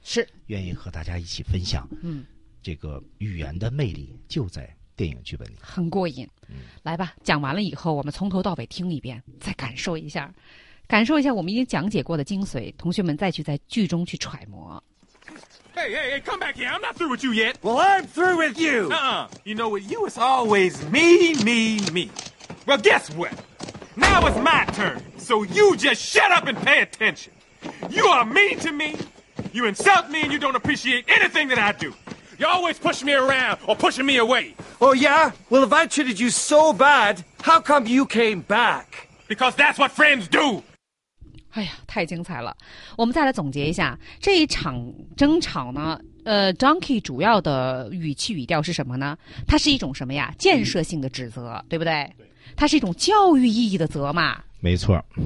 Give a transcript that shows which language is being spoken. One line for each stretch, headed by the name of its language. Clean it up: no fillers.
Chinese: 是愿意和大家一起分享。嗯。这个语言的魅力就在电影剧本里，很过瘾。嗯，来吧，讲完了以后我们从头到尾听一遍，再感受一下，感受一下我们已经讲解过的精髓，同学们再去在剧中去揣摩。
English: Hey, hey, hey, come back here, I'm not through with you yet. Well, I'm through with you. You know what, you is always me, me, me. Well, guess what, now it's my turn. So you just shut up and pay attention. You are mean to me. You insult me and you don't appreciate anything that I dodo. You're always pushing me around or pushing me away. Oh, yeah? Well, if I treated you so bad, how come you came back? Because that's what friends do.
Chinese: 哎呀，太精彩了。我们再来总结一下，这一场争吵呢，Donkey 主要的语气语调是什么呢？它是一种什么呀？建设性的指责，对不对？对。它是一种教育意义的责骂。没错，